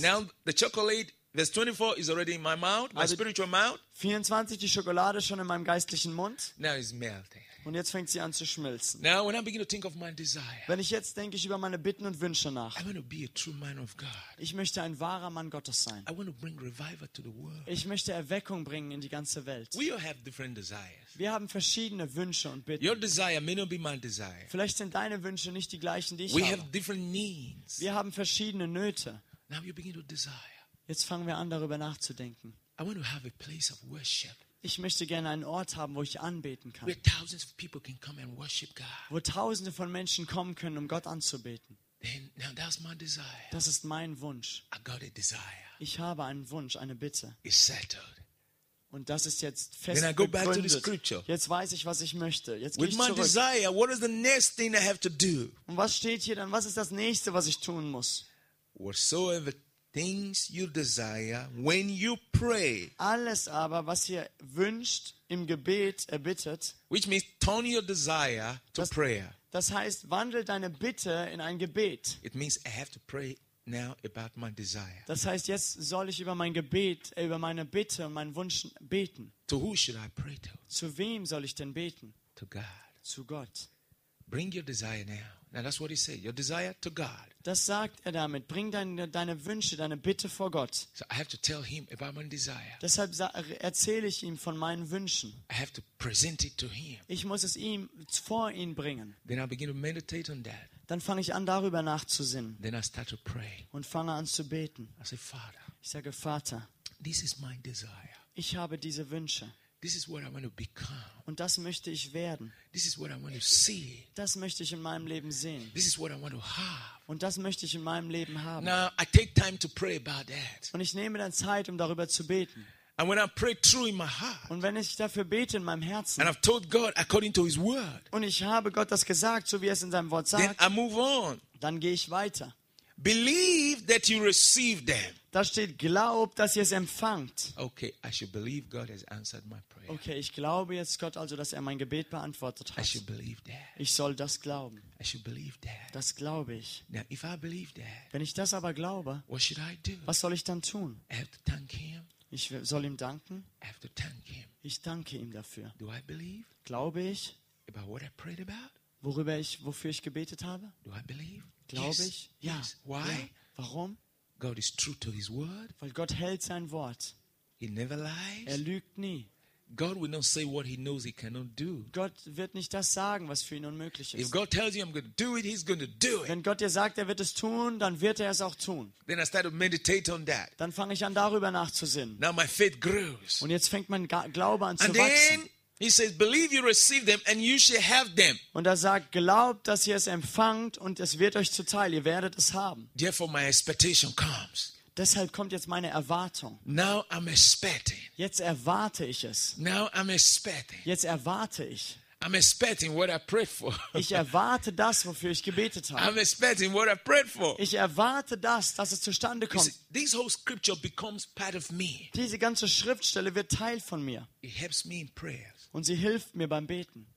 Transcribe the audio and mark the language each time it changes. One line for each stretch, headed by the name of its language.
English: Now the chocolate, verse 24, is already in my mouth, my also spiritual mouth.
German: 24, die Schokolade schon in meinem geistlichen Mund.
English: Now it's melting.
German: Und jetzt fängt sie an zu schmilzen.
English: Now, when I begin to think of my desire,
German: wenn ich jetzt denke ich über meine Bitten und Wünsche nach,
English: I want to be a true man of God.
German: Ich möchte ein wahrer Mann Gottes sein.
English: I want to bring revival to the world.
German: Ich möchte Erweckung bringen in die ganze Welt.
English: We all have different desires.
German: Wir haben verschiedene Wünsche und Bitten.
English: Your desire may not be my desire.
German: Vielleicht sind deine Wünsche nicht die gleichen, die ich
English: We
German: habe.
English: Have different needs.
German: Wir haben verschiedene Nöte.
English: Now you begin to desire.
German: Jetzt fangen wir an, darüber nachzudenken. Ich möchte ein Ort der Anbetung haben. Ich möchte gerne einen Ort haben, wo ich anbeten kann.
English: Where thousands of people can come and worship God.
German: Wo tausende von Menschen kommen können, um Gott anzubeten.
English: Then, now that's my desire.
German: Das ist mein Wunsch.
English: I got a desire.
German: Ich habe einen Wunsch, eine Bitte.
English: It's settled.
German: Und das ist jetzt fest
English: Then I go back to the scripture.
German: Jetzt weiß ich, was ich möchte. Jetzt
English: With
German: gehe ich
English: my
German: zurück.
English: Desire, what is the next thing I have to do?
German: Und was steht hier dann? Was ist das Nächste, was ich tun muss?
English: Whatsoever things you desire when you pray.
German: Alles aber, was ihr wünscht, im Gebet erbittet.
English: Which means turn your desire to prayer.
German: Das heißt, wandel deine Bitte in ein Gebet.
English: It means I have to pray now about my desire.
German: Das heißt, jetzt soll ich über mein Gebet, über meine Bitte und meinen Wunsch beten.
English: To who should I pray to?
German: Zu wem soll ich denn beten?
English: To God.
German: Zu Gott.
English: Bring your desire now. Now that's what he said. Your desire to God.
German: Das sagt er damit. Bring deine Wünsche, deine Bitte vor Gott.
English: So I have to tell him about my desire.
German: Deshalb erzähle ich ihm von meinen Wünschen.
English: I have to present it to him.
German: Ich muss es ihm vor ihn bringen.
English: Then I begin to meditate on that.
German: Dann fange ich an, darüber nachzusinnen.
English: Then I start to pray.
German: Und fange an zu beten.
English: I say, Father,
German: ich sage, Vater,
English: this is my desire.
German: Ich habe diese Wünsche.
English: This is what I want to become.
German: Und das möchte ich werden.
English: This is what I want to see.
German: Das möchte ich in meinem Leben sehen.
English: This is what I want to have.
German: Und das möchte ich in meinem Leben haben.
English: Now I take time to pray about that.
German: Und ich nehme dann Zeit, um darüber zu beten.
English: And when I pray true in my heart.
German: Und wenn ich dafür bete in meinem Herzen.
English: And I've told God according to his word.
German: Und ich habe Gott das gesagt, so wie er es in seinem Wort sagt.
English: Then I move on.
German: Dann gehe ich weiter.
English: Believe that you receive them.
German: Da steht, glaub, dass ihr es empfangt.
English: Okay, I should believe God has answered my prayer.
German: Okay, ich glaube jetzt Gott also, dass er mein Gebet beantwortet hat.
English: I should believe that.
German: Ich soll das glauben.
English: I should believe that.
German: Das glaube ich.
English: Now, if I believe that,
German: wenn ich das aber glaube,
English: what should I do?
German: Was soll ich dann tun?
English: I have to thank him.
German: Ich soll ihm danken.
English: I have to thank him.
German: Ich danke ihm dafür.
English: Do I believe?
German: Glaube ich?
English: About what I prayed about?
German: Wofür ich gebetet habe?
English: Do I believe?
German: Glaube ich? Ja.
English: Yes. Why?
German: Ja. Warum?
English: God is true to his word.
German: Weil Gott hält sein Wort.
English: He never lies.
German: Er lügt nie.
English: God will not say what he knows he cannot do.
German: Gott wird nicht das sagen, was für ihn unmöglich ist.
English: If God tells you I'm going to do it, he's going to do it.
German: Wenn Gott dir sagt, er wird es tun, dann wird er es auch tun.
English: Then I start to meditate on that.
German: Dann fange ich an, darüber nachzusinnen.
English: Now my faith grows.
German: Und jetzt fängt mein Glaube an zu
English: and
German: wachsen.
English: Then he says, believe you receive them and you shall have them.
German: Und er sagt, glaubt, dass ihr es empfangt und es wird euch zuteil, ihr werdet es haben.
English: Therefore my expectation comes.
German: Deshalb kommt jetzt meine Erwartung.
English: Now I'm expecting.
German: Jetzt erwarte ich es.
English: Now I'm expecting.
German: Jetzt erwarte ich.
English: I'm expecting what I prayed for.
German: Ich erwarte das, wofür ich gebetet habe.
English: I'm expecting what I prayed for.
German: Ich erwarte das, dass es zustande kommt.
English: See, this whole scripture becomes part of me.
German: Diese ganze Schriftstelle wird Teil von mir.
English: It helps me in prayers.
German: Und sie hilft mir beim Beten.